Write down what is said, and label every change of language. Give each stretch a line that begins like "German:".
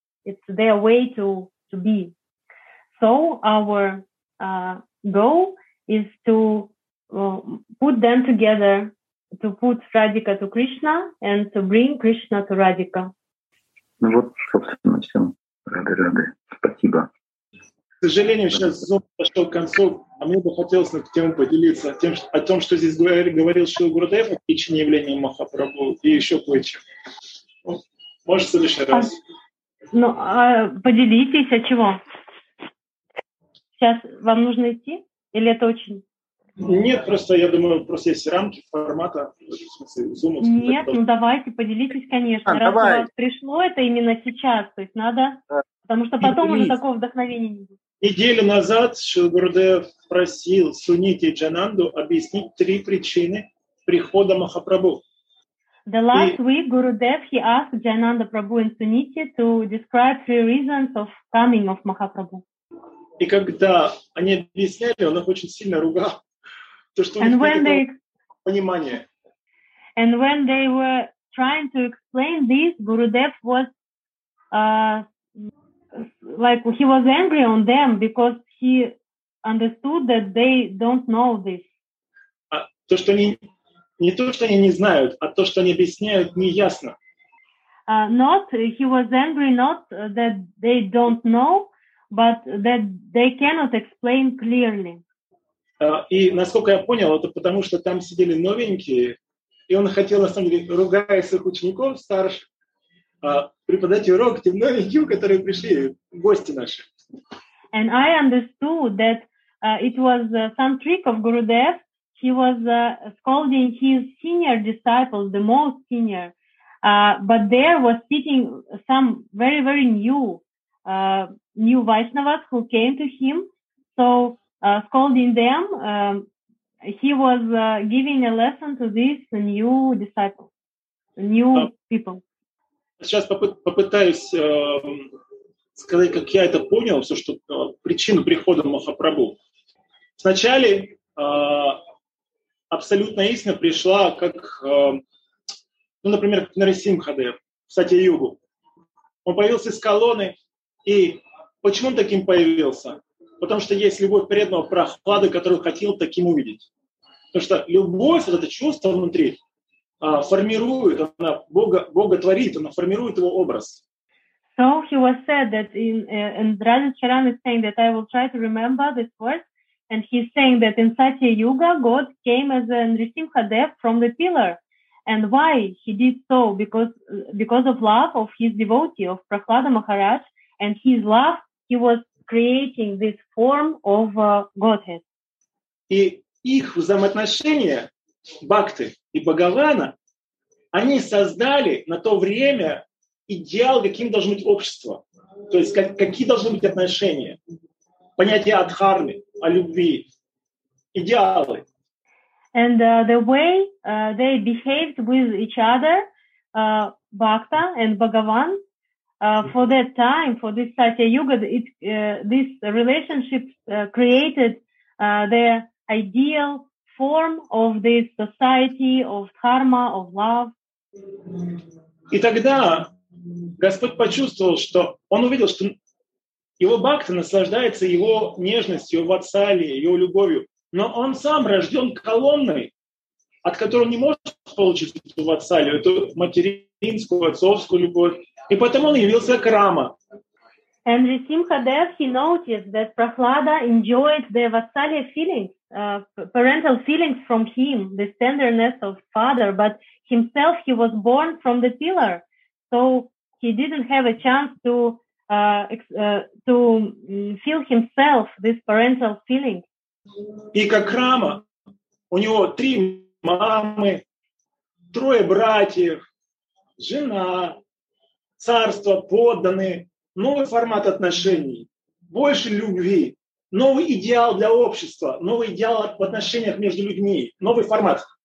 English: It's their way to be. So our goal is to put them together, to put Radhika to Krishna and to bring Krishna to Radhika.
Russian: Ну вот, собственно, все. Рады. Спасибо. К сожалению, сейчас зум подошел к концу, а мне бы хотелось на эту тему поделиться о том, что здесь говорил Шрила Гурудев, о причине явления Махапрабху и еще кое-чем. Может, в следующий раз? Поделитесь, а чего? Сейчас вам нужно идти? Или это очень... Нет, просто я думаю, просто есть рамки формата, в смысле, зума. Нет, ну давайте, поделитесь, конечно. Раз давай. У вас пришло это именно сейчас, то есть надо... Потому что потом уже такого вдохновения не будет. Неделю назад Шрила Гурудев просил Сунити Джананду объяснить три причины прихода Махапрабху.
English: The last week Gurudev, he asked Jananda Prabhu and Suniti to describe three reasons of coming of Mahaprabhu.
Russian: И когда они объясняли, он их очень сильно ругал. То, что
English: and
Russian: у них
English: when they...
Russian: понимание.
English: And when they were trying to explain this, Gurudev was like he was angry on them because he understood that they don't know this.
Russian: То, что они не то, что они не знают, а то, что они объясняют, неясно.
English: Not he was angry not that they don't know, but that they cannot explain clearly.
Russian: И насколько я понял, это потому что там сидели новенькие, и он хотел, на самом деле, ругая своих учеников старших, преподать урок тем новеньким, которые пришли, гости наши.
English: And I understood that it was some trick of Gurudev. He was scolding his senior disciple, the most senior. But there was sitting some very, very new Vaishnavas who came to him. So scolding them, he was giving a lesson to this new disciple, new people.
Russian: Сейчас попытаюсь сказать, как я это понял, все, что причину прихода Махапрабху. Вначале абсолютная истина пришла как, ну, например, как Нарасимхадев в Сатья-югу. Он появился из колонны. И почему он таким появился? Потому что есть любовь преданного Прохлады, которую хотел таким увидеть. Потому что любовь, вот это чувство внутри, формирует, она Бога творит, она формирует его образ.
English: So he was said that in Radha Charan is saying that I will try to remember this word, and he's saying that in Satya Yuga God came as a Nrisimhadev from the pillar. And why he did so? Because of love of his devotee, of Prahlada Maharaj, and his love, he was creating this form of Godhead.
Russian: И их взаимоотношения, Бхакты и Бхагавана, они создали на то время идеал, каким должно быть общество. То есть какие должны быть отношения. Понятие о дхарме, о любви. Идеалы.
English: And the way they behaved with each other, Bhakta and Bhagavan, for that time, for this Satya Yuga, this relationship created their ideal form of this society, of dharma, of love.
Russian: И тогда Господь почувствовал, что он увидел, что его Бхакта наслаждается его нежностью, его ватсали, его любовью. Но он сам рожден колонной, от которой он не может получить эту ватсали, эту материнскую, отцовскую любовь. И потому он явился к Рама.
English: And Nrisimhadev, he noticed that Prahlada enjoyed the vatsalya feelings, parental feelings from him, the tenderness of father, but himself he was born from the pillar, so he didn't have a chance to feel himself this parental feeling.
Russian: И как Рама, у него три мамы, трое братьев, жена, царство, подданные. Новый формат отношений, больше любви, новый идеал для общества, новый идеал в отношениях между людьми, новый формат.